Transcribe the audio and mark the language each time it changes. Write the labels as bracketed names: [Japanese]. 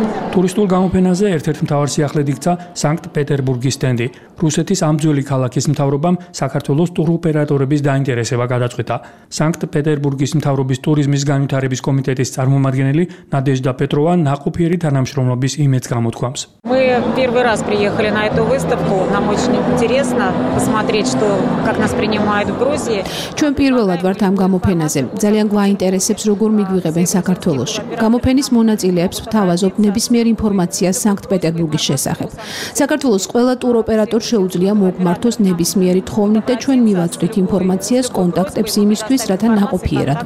[Georgian] ტურისტულ გამოფენაზე ერთ-ერთ მთავარ სიახლედ იქცა სანქტ-პეტერბურგის სტენდი. რუსეთის ამძველი ქალაქის მთავრობამ საქართველოს ტუროპერატორების დაინტერესება გადაწყვიტა. სანქტ-პეტერბურგის მთავრობის ტურიზმის განვითარების კომიტეტის წარმომადგენელი ნადეჟდა პეტროვა ნაყოფიერი თანამშრომლობის იმედს გამოთქვამს. [Russian] Мы первый раз приехали на эту выставку, нам очень интересно посмотреть, что как нас принимают в Грузии. [Georgian] ჩვენ პირველად ვართ ამ გამოფენაზე. ძალიან გვაინტერესებს, როგორ მიგვიღებენ საქართველოში. გამოფენის მონაწილეებს ვთავაზობ ნებისმიერ ინფორმაციას სანქტ-პეტერბურგის შესახებ. საქართველოს ყველა ტუროპერატორ შეუძლია მოგმართოს ნებისმიერი თხოვნით და ჩვენ მივაწვით ინფორმაციას, კონტაქტებს იმისთვის, რათა ნაყოფიერად